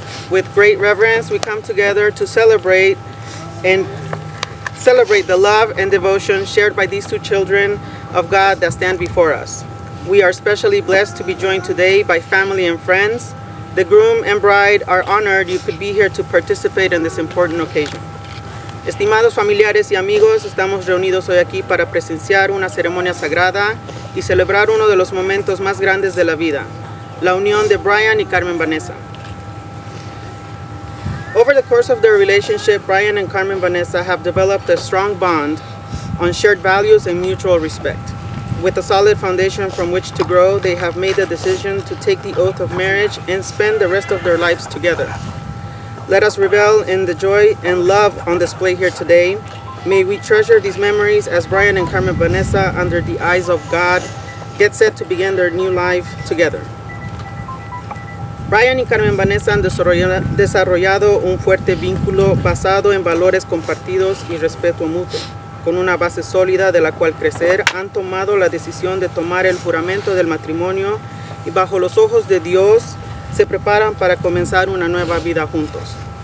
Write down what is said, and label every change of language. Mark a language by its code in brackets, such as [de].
[en] With great reverence, we come together to celebrate the love and devotion shared by these two children of God that stand before us. We are especially blessed to be joined today by family and friends. The groom and bride are honored you could be here to participate in this important occasion. [es] Estimados familiares y amigos, estamos reunidos hoy aquí para presenciar una ceremonia sagrada y celebrar uno de los momentos más grandes de la vida, la unión de Bryan y Carmen Vanessa. [en] Over the course of their relationship, Bryan and Carmen Vanessa have developed a strong bond on shared values and mutual respect. With a solid foundation from which to grow, they have made the decision to take the oath of marriage and spend the rest of their lives together. Let us revel in the joy and love on display here today. May we treasure these memories as Bryan and Carmen Vanessa, under the eyes of God, get set to begin their new life together. [es] Bryan y Carmen Vanessa han desarrollado un fuerte vínculo basado en valores compartidos y respeto mutuo. Con una base sólida de la cual crecer, han tomado la decisión de tomar el juramento del matrimonio y bajo los ojos de Dios se preparan para comenzar una nueva vida juntos.